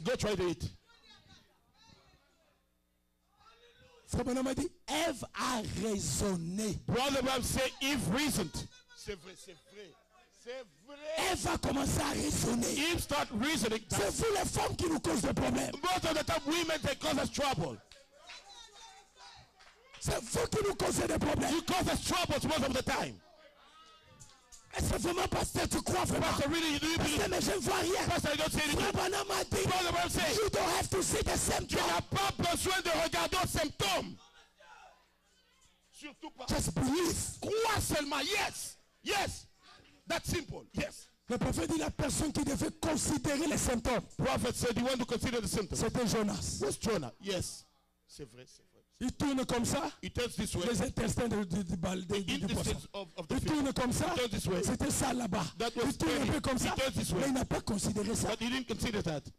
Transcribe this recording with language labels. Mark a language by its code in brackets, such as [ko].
[en] Go try to eat. [fr] Frère Branham a dit, Eve a raisonné. [en] Brother Branham said Eve reasoned. [fr] C'est vrai, c'est vrai. Eve a commencé à raisonner. [en] Eve start reasoning. [fr] C'est vous les femmes qui nous causent des problèmes. [en] Most of the time, women they cause us trouble. [fr] C'est vous qui nous causez des problèmes. [en] You cause us troubles most of the time. [fr] Est-ce vraiment pasteur, tu crois vraiment? [en] Pastor, really, you believe? [fr] Pastor, mais je ne vois rien. [en] Pastor, I don't see anything. Brother, what I'm saying? You don't have to see the symptoms. [fr] Tu n'as pas besoin de regarder les symptômes. Surtout pas. [en] Just believe. [fr] Crois seulement. [en] Yes, yes. That's simple. Yes. [fr] Le prophète dit la personne qui devait considérer les symptômes. [en] Prophet said he wanted to consider the symptoms. [fr] C'était Jonas. [en] Yes, Jonah. Yes. [fr] C'est vrai, c'est vrai. Il tourne comme ça. [en] He turns this way. [fr] Les intestins du balde du poisson. Il tourne comme ça. [en] He turns this way. [fr] C'était ça là-bas. [en] That was [fr] il tourne un peu comme ça. [en] He turns this way. [fr] Mais il n'a pas considéré ça. [en] But he didn't consider that.